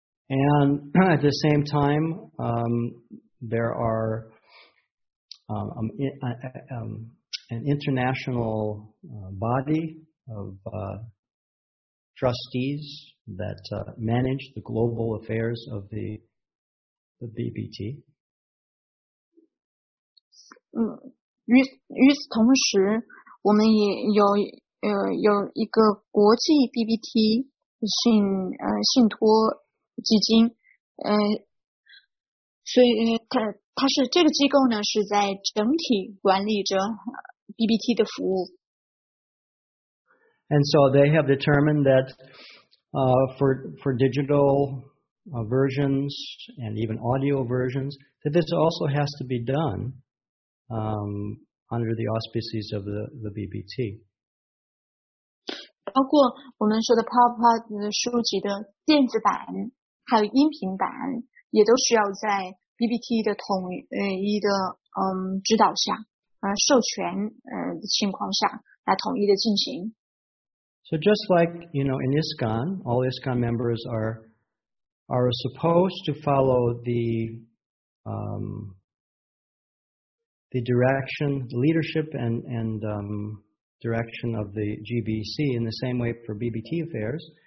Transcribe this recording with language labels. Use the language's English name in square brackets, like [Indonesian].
[English] And at the same time, there are an international body of trustees that manage the global affairs of the BBT. [Chinese] 与此同时，我们也有有一个国际 BBT 信托。基金，所以它是这个机构呢，是在整体管理着 BBT 的服务。 [English] And so they have determined that for digital versions and even audio versions, that this also has to be done under the auspices of the BBT. [Chinese] 包括我们说的 Prabhupada 书籍的电子版。还有音频版也都需要在 BBT 的统一的指导下授权的情况下来统一的进行。 [English] So just like, you know, in ISKCON, all ISKCON members are supposed to follow the direction, leadership and direction of the GBC in the same way for BBT affairs.